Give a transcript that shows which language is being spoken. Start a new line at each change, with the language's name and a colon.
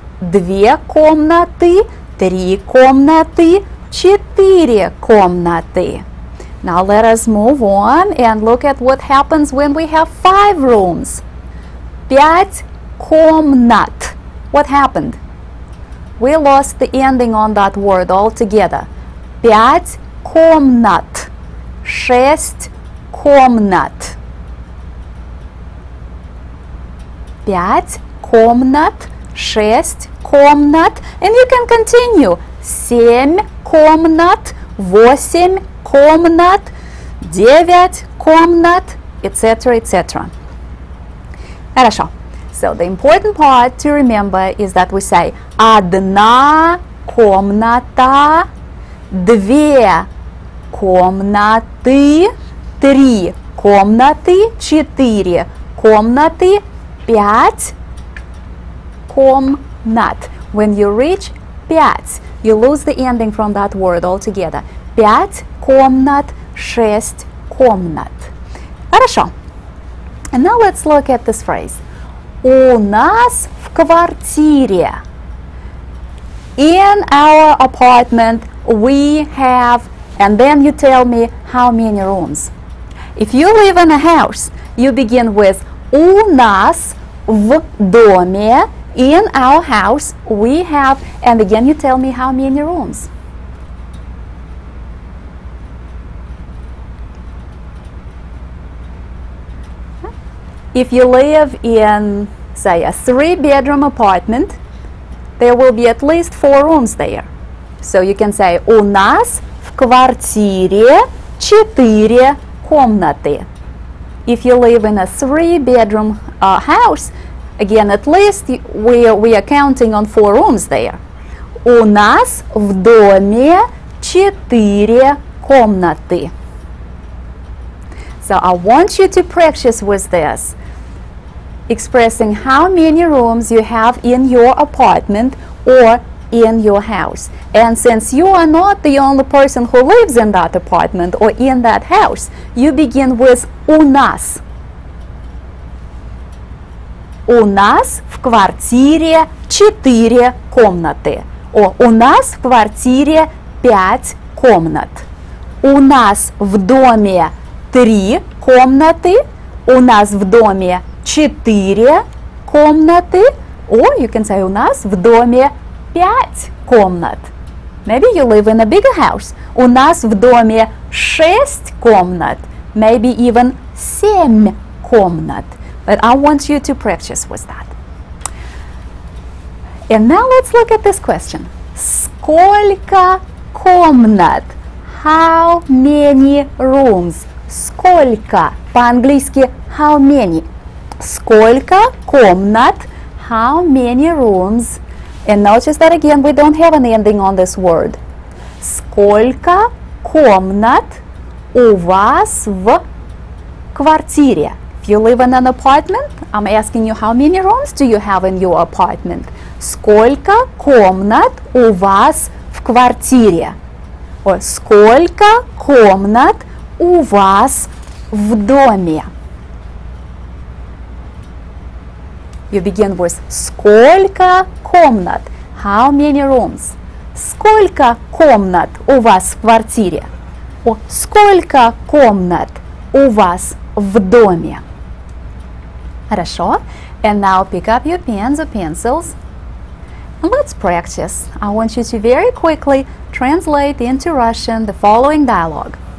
Russian: Две комнаты, три комнаты, четыре комнаты.
English: Now let us move on and look at what happens when we have five rooms.
Russian: Пять комнат.
English: What happened? We lost the ending on that word altogether.
Russian: Пять комнат. Шесть комнат. Пять комнат. Шесть комнат.
English: And you can continue.
Russian: Семь комнат. Восемь комнат. Девять комнат. Etc. Etc. Хорошо.
English: So the important part to remember is that we say
Russian: одна комната, две комнаты, три комнаты, четыре комнаты, пять комнат.
English: When you reach пять, you lose the ending from that word altogether.
Russian: Пять комнат, шесть комнат. Хорошо.
English: And now let's look at this phrase.
Russian: У нас в квартире.
English: In our apartment, we have. And then you tell me how many rooms. If you live in a house, you begin with
Russian: у нас в доме.
English: In our house, we have. And again, you tell me how many rooms. If you live in, say, a three-bedroom apartment, there will be at least four rooms there. So you can say
Russian: у нас в квартире четыре комнаты.
English: If you live in a three-bedroom house, again, at least we are counting on four rooms there.
Russian: У нас в доме четыре комнаты.
English: So I want you to practice with this. Expressing how many rooms you have in your apartment or in your house. And since you are not the only person who lives in that apartment or in that house, you begin with
Russian: у нас. У нас в квартире четыре комнаты. Or у нас в квартире пять комнат. У нас в доме три комнаты. У нас в доме четыре комнаты,
English: or you can say
Russian: у нас в доме пять комнат.
English: Maybe you live in a bigger house.
Russian: У нас в доме шесть комнат,
English: maybe even
Russian: семь комнат.
English: But I want you to practice with that. And now let's look at this question.
Russian: Сколько комнат?
English: How many rooms?
Russian: Сколько? По-английски
English: how many?
Russian: Сколько комнат?
English: How many rooms? And notice that again, we don't have an ending on this word.
Russian: Сколько комнат у вас в квартире?
English: If you live in an apartment, I'm asking you how many rooms do you have in your apartment?
Russian: Сколько комнат у вас в квартире? Сколько комнат у вас в доме? You begin with сколько комнат? How many rooms? Сколько комнат у вас в квартире? Сколько комнат у вас в доме? Хорошо.
English: And now pick up your pens or pencils. Let's practice. I want you to very quickly translate into Russian the following dialogue.